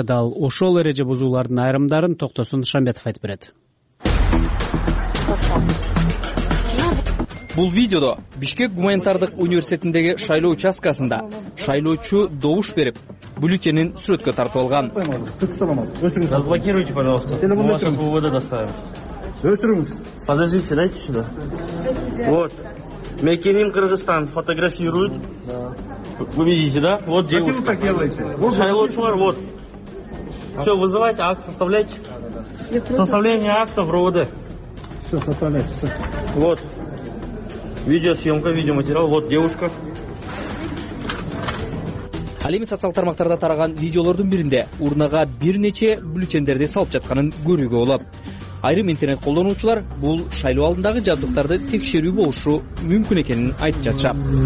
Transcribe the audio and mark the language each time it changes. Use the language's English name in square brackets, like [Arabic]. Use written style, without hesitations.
[Kyrgyz] Дал ошол эреже бузуулардын айрымдарын Токтосун Шамбетов айтып берет. Бул видеодо Бишкек гуманитардык университетиндеги шайлоо участкасында шайлоочу добуш берип, бюллетенин сүрөткө тартып алган. [Russian] Разблокируйте, пожалуйста. Телефонду сейчас в УВД доставим. [Kyrgyz] Өчүрүңүз. [Russian] Подождите, дайте сюда. Вот. Мекеним Кыргызстан, фотографируют. Вы видите, да? Вот девушка. Почему так делаете? [Kyrgyz] Шайлоочулар вот. [Russian] Всё, вызывайте акт, составляйте. Составление акта в РУВД. Всё, составляйте, всё. Вот. Видеосъемка, видеоматериал. Вот девушка. [Kyrgyz] Ал эми социалдык тармактарда тараган видеолордун биринде урнага бир нече бюллетендерди салып жатканын көрүүгө болот. Айрым интернет колдонуучулар бул шайлоо алдындагы жабдыктарды текшерүү болушу мүмкүн экенин айтып жатышат.